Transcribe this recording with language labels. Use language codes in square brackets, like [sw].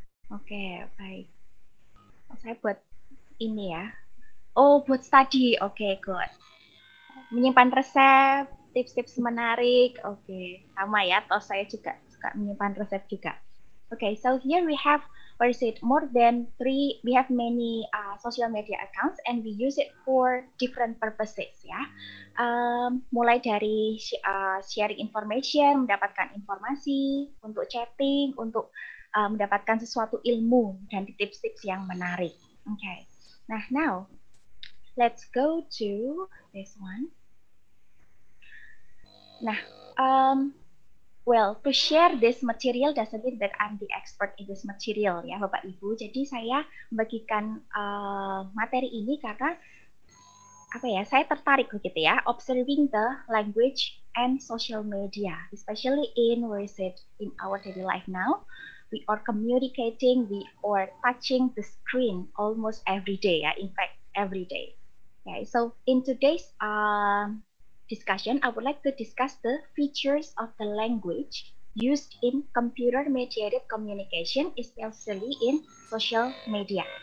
[id] Oke, okay, baik. Okay. Saya buat ini ya. Oh, buat study, oke, okay, good. Menyimpan resep, tips-tips menarik, oke. Okay. Sama ya, toh saya juga suka menyimpan resep juga. [en] Oke, okay, so here we have, what is it, more than three, we have many social media accounts and we use it for different purposes, [id] ya. Mulai dari sharing information, mendapatkan informasi, untuk chatting, untuk mendapatkan sesuatu ilmu dan tips-tips yang menarik. [en] Oke, okay. [id] Nah, [en] now, let's go to this one. [id] Nah, [en] well, to share this material doesn't mean that I'm the expert in this material, [id] ya, Bapak Ibu. Jadi saya membagikan materi ini karena apa ya? Saya tertarik gitu ya, [en] observing the language and social media, especially in where is it in our daily life now. We are communicating, we are touching the screen almost every day, [id] ya. [en] In fact, every day. Okay, so in today's discussion, I would like to discuss the features of the language used in computer-mediated communication, especially in social media.